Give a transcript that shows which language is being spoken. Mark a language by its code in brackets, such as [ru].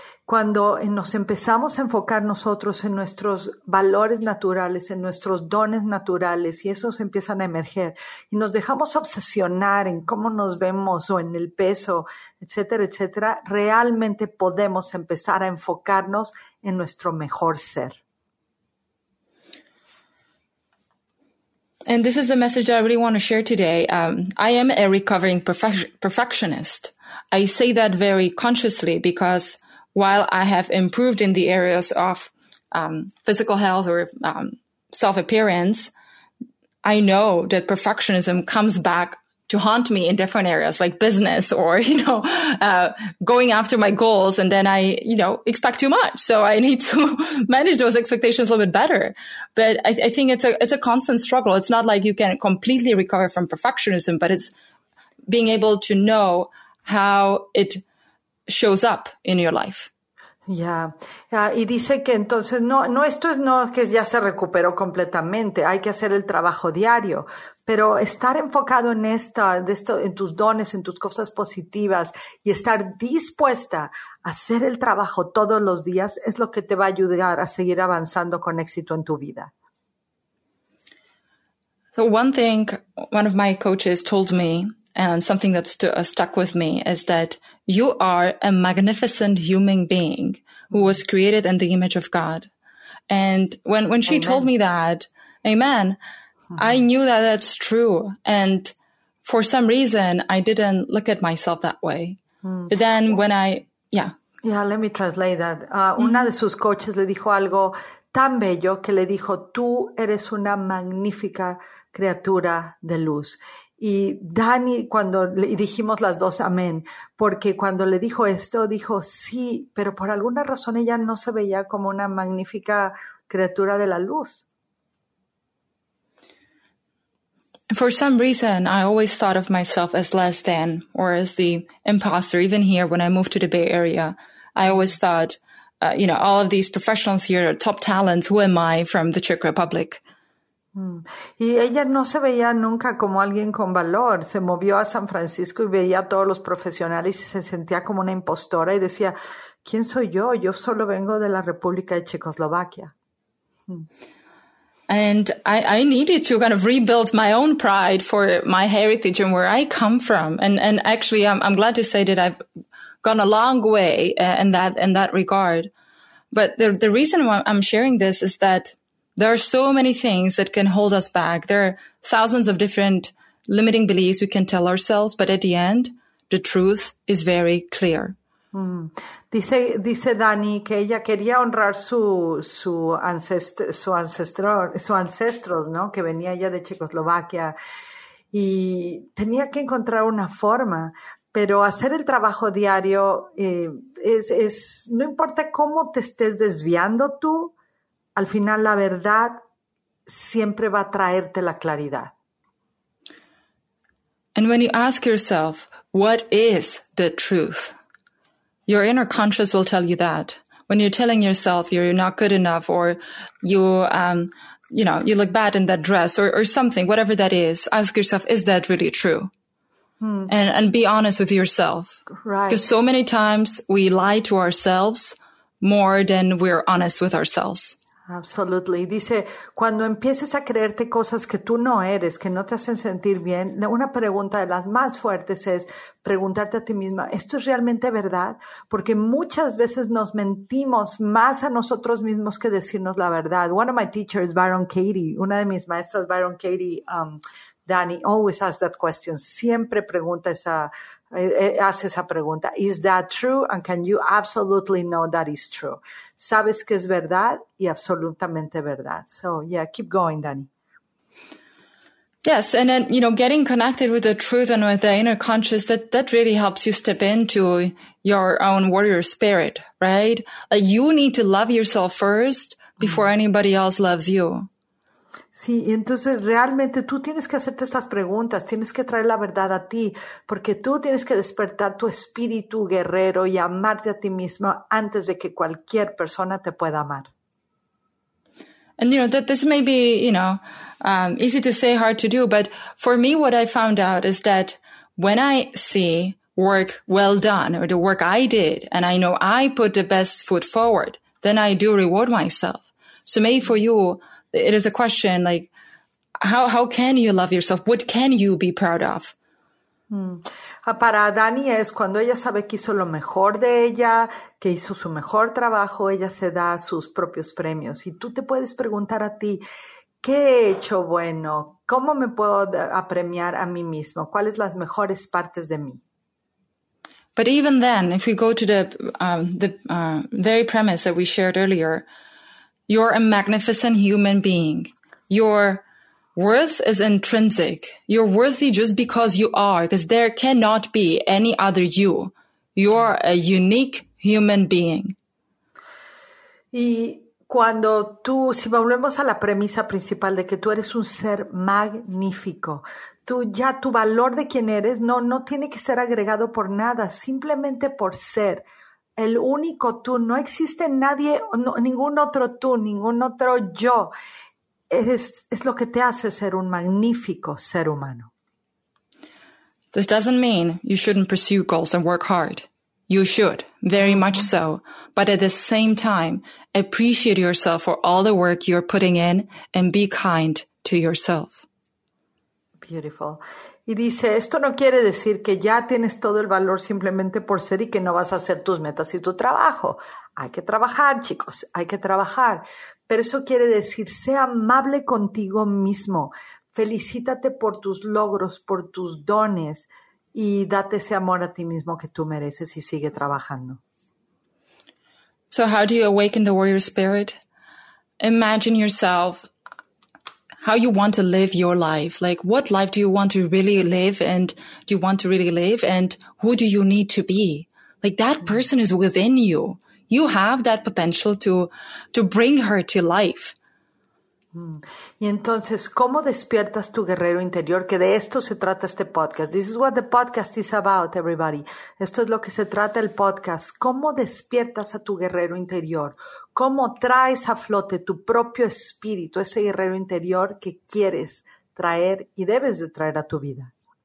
[es] cuando nos empezamos a enfocar nosotros en nuestros valores naturales, en nuestros dones naturales, y esos empiezan a emerger, y nos dejamos obsesionar en cómo nos vemos o en el peso, etcétera, etcétera, realmente podemos empezar a enfocarnos en nuestro mejor ser. [en] And this is the message I really want to share today. I am a recovering perfectionist. I say that very consciously because while I have improved in the areas of physical health or self-appearance, I know that perfectionism comes back to haunt me in different areas like business or, you know, going after my goals. And then I, you know, expect too much. So I need to manage those expectations a little bit better. But I think it's a constant struggle. It's not like you can completely recover from perfectionism, but it's being able to know how it shows up in your life. [es] Y dice que entonces no que ya se recuperó completamente, hay que hacer el trabajo diario, pero estar enfocado en esto, en tus dones, en tus cosas positivas y estar dispuesta a hacer el trabajo todos los días es lo que te va a ayudar a seguir avanzando con éxito en tu vida. [en] So one thing one of my coaches told me, and something that stuck with me, is that you are a magnificent human being who was created in the image of God. And when she told me that, I knew that that's true. And for some reason, I didn't look at myself that way. But then when I, Let me translate that. [es] Una de sus coaches le dijo algo tan bello que le dijo, tú eres una magnífica criatura de luz. Y Dani, y dijimos las dos amén, porque cuando le dijo esto, dijo sí, pero por alguna razón ella no se veía como una magnífica criatura de la luz. [en] For some reason, I always thought of myself as less than or as the imposter. Even here, when I moved to the Bay Area, I always thought, you know, all of these professionals here are top talents. Who am I from the Czech Republic? [es] Y ella no se veía nunca como alguien con valor. Se movió a San Francisco y veía a todos los profesionales y se sentía como una impostora y decía, ¿quién soy yo? Yo solo vengo de la República de Checoslovaquia. [en] And I needed to kind of rebuild my own pride for my heritage and where I come from. And actually, I'm glad to say that I've gone a long way in that regard. But the reason why I'm sharing this is that there are so many things that can hold us back. There are thousands of different limiting beliefs we can tell ourselves, but at the end, the truth is very clear. [es] Dice Dani que ella quería honrar sus ancestros, ¿no? Que venía ella de Checoslovaquia y tenía que encontrar una forma. Pero hacer el trabajo diario es no importa cómo te estés desviando tú. Al final, la verdad siempre va a traerte la claridad. [en] And when you ask yourself, what is the truth? Your inner conscience will tell you that. When you're telling yourself you're not good enough or you look bad in that dress or something, whatever that is, ask yourself, is that really true? And be honest with yourself. Right. Because so many times we lie to ourselves more than we're honest with ourselves. Absolutely. [es] Dice, cuando empieces a creerte cosas que tú no eres, que no te hacen sentir bien, una pregunta de las más fuertes es preguntarte a ti misma, ¿esto es realmente verdad? Porque muchas veces nos mentimos más a nosotros mismos que decirnos la verdad. [en] One of my teachers, Byron Katie, [es] una de mis maestras, [en] Byron Katie, Danny, always asks that question. [es] Siempre pregunta hace esa pregunta, [en] is that true? And can you absolutely know that is true? [es] Sabes que es verdad y absolutamente verdad. [en] So yeah, keep going, Dani. Yes, and then, you know, getting connected with the truth and with the inner conscious, that really helps you step into your own warrior spirit, right? Like you need to love yourself first before anybody else loves you. [es] Sí, y entonces realmente tú tienes que hacerte esas preguntas, tienes que traer la verdad a ti, porque tú tienes que despertar tu espíritu guerrero y amarte a ti mismo antes de que cualquier persona te pueda amar. [en] And you know, that this may be, you know, easy to say, hard to do, but for me what I found out is that when I see work well done or the work I did, and I know I put the best foot forward, then I do reward myself. So maybe for you, it is a question like, how can you love yourself? What can you be proud of? [es] Para Dani es cuando ella sabe que hizo lo mejor de ella, que hizo su mejor trabajo, ella se da sus propios premios. Y tú te puedes preguntar a ti, ¿qué he hecho bueno? ¿Cómo me puedo apremiar a mí mismo? ¿Cuáles las mejores partes de mí? [en] But even then, if we go to the very premise that we shared earlier, you're a magnificent human being. You're worth is intrinsic. You're worthy just because you are, because there cannot be any other you. You're a unique human being. [es] Y cuando tú, si volvemos a la premisa principal de que tú eres un ser magnífico, tú ya tu valor de quien eres no tiene que ser agregado por nada, simplemente por ser el único tú. No existe nadie, no, ningún otro tú, ningún otro yo. Es lo que te hace ser un magnífico ser humano. [en] This doesn't mean you shouldn't pursue goals and work hard. You should, very much so. But at the same time, appreciate yourself for all the work you're putting in and be kind to yourself. Beautiful. [es] Y dice, esto no quiere decir que ya tienes todo el valor simplemente por ser y que no vas a hacer tus metas y tu trabajo. Hay que trabajar, chicos, hay que trabajar. Pero eso quiere decir, sé amable contigo mismo. Felicítate por tus logros, por tus dones y date ese amor a ti mismo que tú mereces y sigue trabajando. [en] So how do you awaken the warrior spirit? Imagine yourself how you want to live your life. Like, what life do you want to really live and do you want to really live? And who do you need to be? Like, that person is within you. You have that potential to bring her to life. [es] Y entonces, ¿cómo despiertas tu guerrero interior? Que de esto se trata este podcast. [en] This is what the podcast is about, everybody. [es] Esto es lo que se trata el podcast. ¿Cómo despiertas a tu guerrero interior? ¿Cómo traes a flote tu propio espíritu, ese guerrero interior que quieres traer y debes de traer a tu vida?